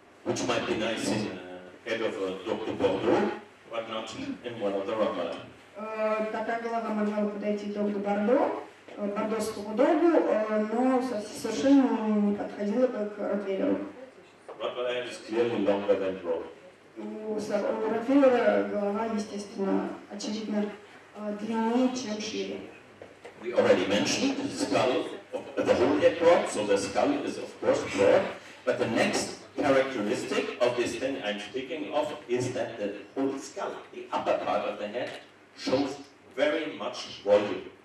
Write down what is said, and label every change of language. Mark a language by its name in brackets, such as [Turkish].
[English] Which might be nice in head of Dr. Bordeaux, but not in one of the Rottweiler. [Russian] Такая голова могла бы подойти доктору Бордо, бордоскому догу, но совершенно не подходила как Ротвейлеру. [English] Rottweiler is clearly longer than broad. [Russian] У Ротвейлера голова, естественно, очевидно, длиннее, чем шире. [English] We already mentioned the skull, the whole head broad, so the skull is of course broad, but the next characteristic of this thing I'm speaking of is that the whole skull, the upper part of the head, shows very much volume.